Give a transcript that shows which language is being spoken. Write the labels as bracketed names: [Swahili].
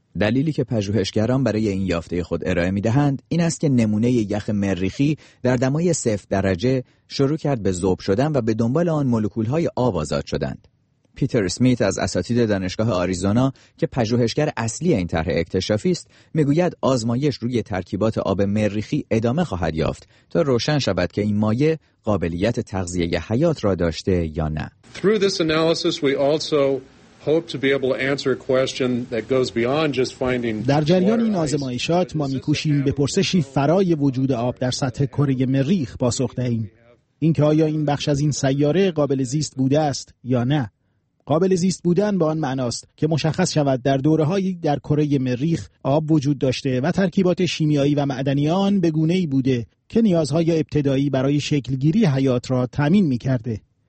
[Persian] دلیلی که پژوهشگران برای این یافته خود ارائه می دهند این است که نمونه یخ مریخی در دمای 0 درجه شروع کرد به ذوب شدن و به دنبال آن مولکول‌های آب آزاد شدند. پیتر سمیت از اساتید دانشگاه آریزونا که پژوهشگر اصلی این طرح اکتشافی است میگوید آزمایش روی ترکیبات آب مریخی ادامه خواهد یافت تا روشن شود که این مایع قابلیت تغذیه حیات را داشته یا نه. [English] Through this analysis we also hope to be able to answer a question that goes beyond just finding. [Persian] در جریان این آزمایشات ما میکوشیم به پرسشی فرای وجود آب در سطح کره مریخ پاسخ دهیم. اینکه آیا این بخش از این سیاره قابل زیست بوده است یا نه. قابل زیست بودن با آن معناست که مشخص شود در دوره‌هایی در کره مریخ آب وجود داشته و ترکیبات شیمیایی و معدنی آن به گونه‌ای بوده که نیازهای ابتدایی برای شکل‌گیری حیات را تامین می‌کرده.